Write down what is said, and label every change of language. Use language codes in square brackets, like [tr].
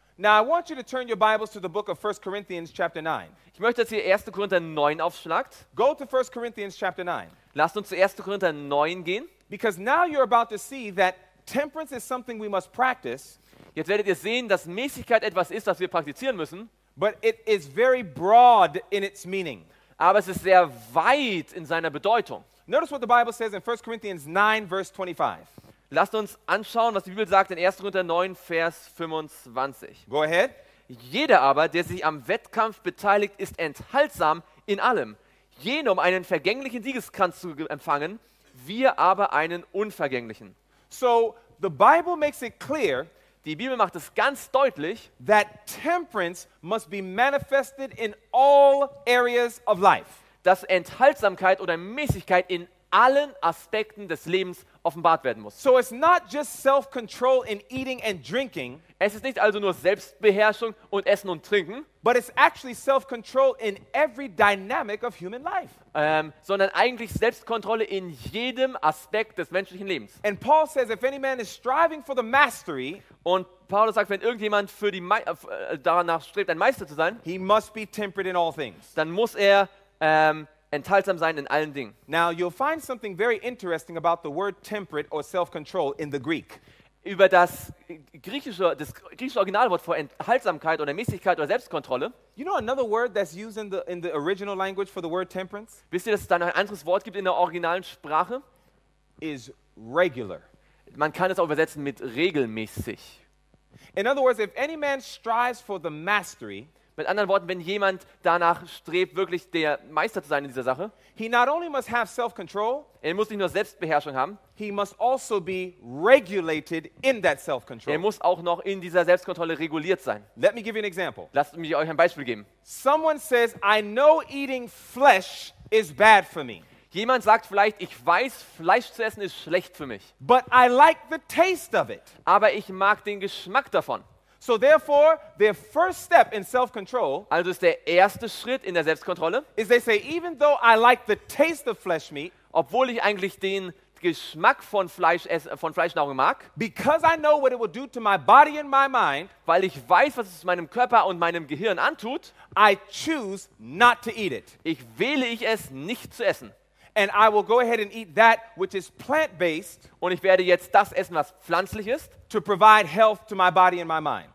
[en] Now I want you to turn your Bibles to the book of 1 Corinthians chapter 9. [de] Ich möchte, dass ihr 1. Korinther 9 aufschlagt. [en] Go to 1 Corinthians chapter 9. [de] Lasst uns zu 1. Korinther 9 gehen. [en] Because now you're about to see that temperance is something we must practice. [de] Jetzt werdet ihr sehen, dass Mäßigkeit etwas ist, das wir praktizieren müssen. [en] But it is very broad in its meaning. [de] Aber es ist sehr weit in seiner Bedeutung. [en] Notice what the Bible says in 1 Corinthians 9 verse 25. [de] Lasst uns anschauen, was die Bibel sagt in 1. Korinther 9, Vers 25. [en] Go ahead. [de] Jeder aber, der sich am Wettkampf beteiligt, ist enthaltsam in allem. Jenem einen vergänglichen Siegeskranz zu empfangen, wir aber einen unvergänglichen. [en] So, the Bible makes it clear, [de] die Bibel macht es ganz deutlich, [en] that temperance must be manifested in all areas of life. [de] Dass Enthaltsamkeit oder Mäßigkeit in allen Aspekten des Lebens offenbart werden muss. [en] So it's not just self-control in eating and drinking. [de] Es ist nicht also nur Selbstbeherrschung und Essen und Trinken, [en] but it's actually self-control in every dynamic of human life. [de] Sondern eigentlich Selbstkontrolle in jedem Aspekt des menschlichen Lebens. [en] And Paul says, if any man is striving for the mastery, [de] und Paulus sagt, wenn irgendjemand für die danach strebt, ein Meister zu sein, [en] he must be temperate in all things. [de] Dann muss er enthaltsam sein in allen Dingen. [en] Now you'll find something very interesting about the word temperate or self-control in the Greek. [de] Über das griechische Originalwort für Enthaltsamkeit oder Mäßigkeit oder Selbstkontrolle. [en] You know another word that's used in the original language for the word temperance? [de] Wisst ihr, dass es da noch ein anderes Wort gibt in der originalen Sprache? [en] Is regular. [de] Man kann es auch übersetzen mit regelmäßig. [en] In other words, if any man strives for the mastery, [de] mit anderen Worten, wenn jemand danach strebt, wirklich der Meister zu sein in dieser Sache, [en] he not only must have self-control, [de] er muss nicht nur Selbstbeherrschung haben, [en] he must also be regulated in that self-control. [de] Er muss auch noch in dieser Selbstkontrolle reguliert sein. [en] Let me give you an example. [de] Lasst mich euch ein Beispiel geben. [en] Someone says, I know eating flesh is bad for me. [de] Jemand sagt vielleicht, ich weiß, Fleisch zu essen ist schlecht für mich. [en] But I like the taste of it. [de] Aber ich mag den Geschmack davon. [en] So therefore, their first step in self-control, [de] also ist der erste Schritt in der Selbstkontrolle, [en] is they say, even though I like the taste of flesh meat, [de] obwohl ich eigentlich den Geschmack von Fleischnahrung mag, [en] because I know what it will do to my body and my mind, [de] weil ich weiß, was es meinem Körper und meinem Gehirn antut, [en] I choose not to eat it. [de] Ich wähle ich es nicht zu essen. [en] And I will go ahead and eat that which is plant-based. [de] Und ich werde jetzt das essen, was pflanzlich ist. [en] To provide health to my body and my mind.